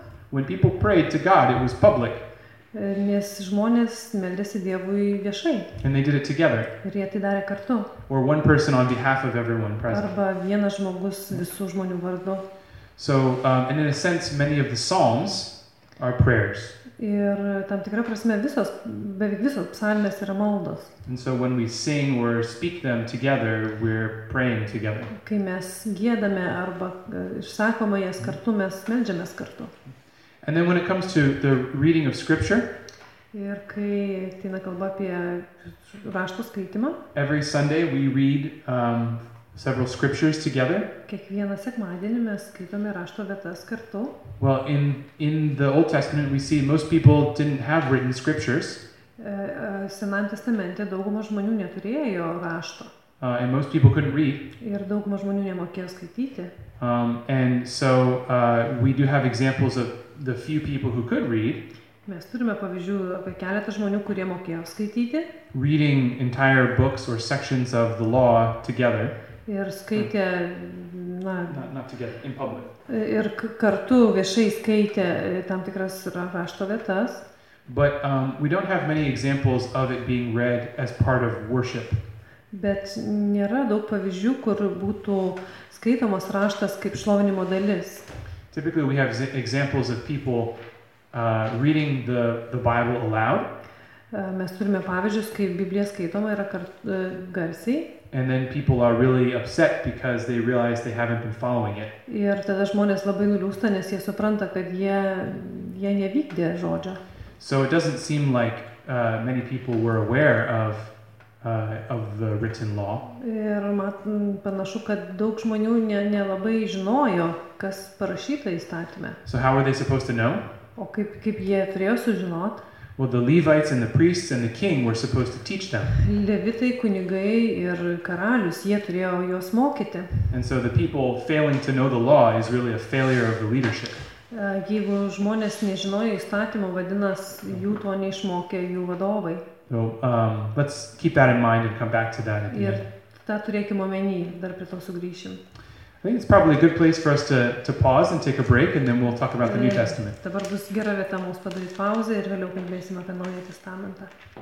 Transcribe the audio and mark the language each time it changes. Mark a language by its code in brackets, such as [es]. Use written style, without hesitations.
[en] When people prayed to God, it was public. [lt] Nes žmonės meldėsi Dievui viešai. [en] And they did it together. [lt] Ir jie tai darė kartu. [en] Or one person on behalf of everyone present. [lt] Arba vienas žmogus visų žmonių vardu. [en] So, and in a sense, many of the psalms are prayers. [lt] Ir tam tikra prasme, beveik visos psalmės yra maldos. [en] And so when we sing or speak them together, we're praying together. [lt] Kai mes giedame arba išsakome jas kartu, mes meldžiamės kartu. [en] And then when it comes to the reading of scripture, [lt] ir kai tina kalba apie rašto skaitimą, [en] every Sunday we read several scriptures together. [lt] Kiekvieną sekmadienį mes skaitome rašto vietas kartu. [en] Well, in the Old Testament we see most people didn't have written scriptures. [lt] Senajame testamente dauguma žmonių neturėjo rašto. [en] And most people couldn't read. [lt] Ir dauguma žmonių nemokėjo skaityti. [en] And so we do have examples of the few people who could read. [lt] Mes turime pavyzdžių apie keletą žmonių, kurie mokėjo skaityti. [en] Reading entire books or sections of the law together. [lt] Ir skaitė [en] not together in public. [lt] Ir kartu viešai skaitė tam tikras rašto vietas. [en] But we don't have many examples of it being read as part of worship. [lt] Bet nėra daug pavyzdžių, kur būtų skaitomas raštas kaip šlovinimo dalis. [en] Typically we have examples of people reading the Bible aloud. [lt] Mes turime pavyzdžius, kaip Biblija skaitoma yra garsiai. [en] And then people are really upset because they realize they haven't been following it. [lt] Ir tada žmonės labai nuliūsta, nes jie supranta, kad jie nevykdė žodžio. [en] So it doesn't seem like many people were aware of the written law. [lt] Ir panašu, kad daug žmonių nelabai žinojo, kas parašyta įstatyme. [en] So how were they supposed to know? [lt] O kaip jie turėjo sužinot? [en] Well, the Levites and the priests and the king were supposed to teach them. [lt] Levitai, kunigai ir karalius, jie turėjo juos mokyti. [en] And so the people failing to know the law is really a failure of the leadership. [lt] Jeigu žmonės nežinojo įstatymo, vadinas, jų to neišmokė jų vadovai. [en] So, let's keep that in mind and come back to that at the end. [lt] Ir tą turėkim omeny, dar prie to sugrįšim. [en] I think it's probably a good place for us to pause and take a break, and then we'll talk about the New Testament. [lt] Dabar bus gera vieta mums padaryti pauzę ir vėliau kalbėsim apie Naują Testamentą.